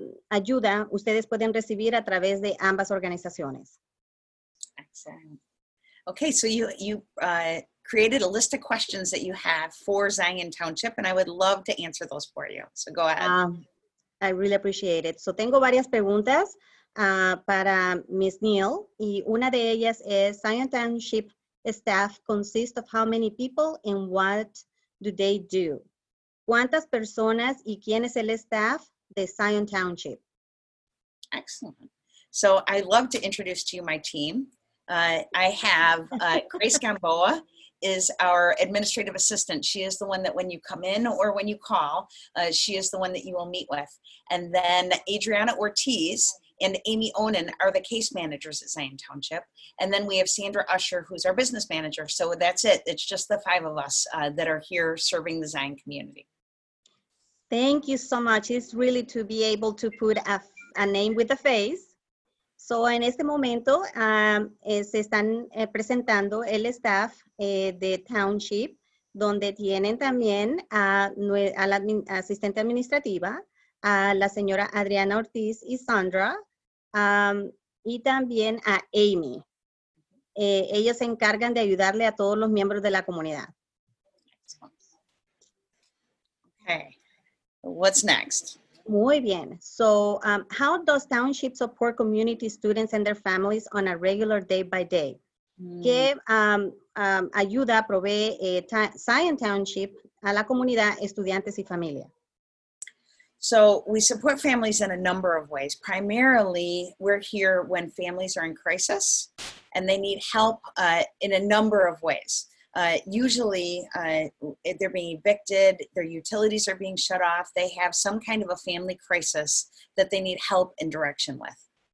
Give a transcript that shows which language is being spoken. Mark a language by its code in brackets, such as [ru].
[es] ayuda ustedes pueden recibir a través de ambas organizaciones. [en] Excellent. Okay, so you created a list of questions that you have for Zion Township, and I would love to answer those for you. So go ahead. I really appreciate it. [es] So tengo varias preguntas para Ms. [en] Neal, [es] y una de ellas es, [en] Zion Township staff consists of how many people and what do they do? [es] ¿Cuántas personas y quién es el staff? [en] The Zion Township. Excellent. So I'd love to introduce to you my team. I have Grace Gamboa is our administrative assistant. She is the one that when you come in or when you call, she is the one that you will meet with. And then Adriana Ortiz and Amy Onan are the case managers at Zion Township. And then we have Sandra Usher, who's our business manager. So that's it. It's just the five of us that are here serving the Zion community. Thank you so much. It's really to be able to put a name with a face. [es] So en este momento se están presentando el staff de Township, donde tienen también a la asistente administrativa, a la señora Adriana Ortiz y Sandra, y también a Amy. Ellos se encargan de ayudarle a todos los miembros de la comunidad. [en] Okay. What's next? [es] Muy bien. [en] So, how does Township support community students and their families on a regular day by day? [es] ¿Qué ayuda provee Zion Township a la comunidad, estudiantes y familia? [en] So, we support families in a number of ways. Primarily, we're here when families are in crisis and they need help in a number of ways. Usually, they're being evicted, their utilities are being shut off, they have some kind of a family crisis that they need help and direction with.